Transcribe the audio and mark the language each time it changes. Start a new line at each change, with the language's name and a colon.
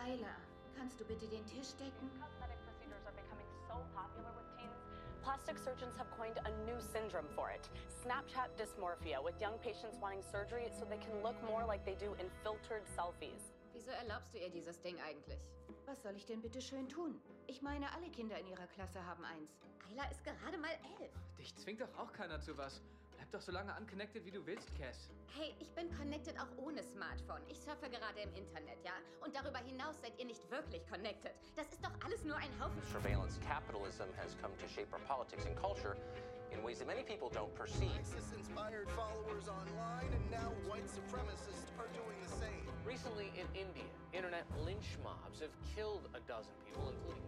German: Ayla, kannst du bitte den Tisch decken?
English: Cosmetic procedures are becoming so popular with teens. Plastic surgeons have coined a new syndrome for it, Snapchat dysmorphia, with young patients wanting surgery so they can look more like they do in filtered selfies.
German: Wieso erlaubst du ihr dieses Ding eigentlich? Was soll ich denn bitte schön tun? Ich meine, alle Kinder in ihrer Klasse haben eins. Ayla ist gerade mal 11. Dich zwingt doch auch keiner zu was. Bleib doch so lange unconnected, wie du willst, Cass. Hey, ich bin connected auch ohne Smartphone. Ich surfe gerade im Internet, ja? Und darüber hinaus seid ihr nicht wirklich connected. Das ist doch alles nur ein Haufen...
English: Surveillance capitalism has come to shape our politics and culture in ways that many people don't perceive. ISIS-inspired followers online and now white supremacists are doing the same. Recently in India, internet lynch mobs have killed a dozen people, including...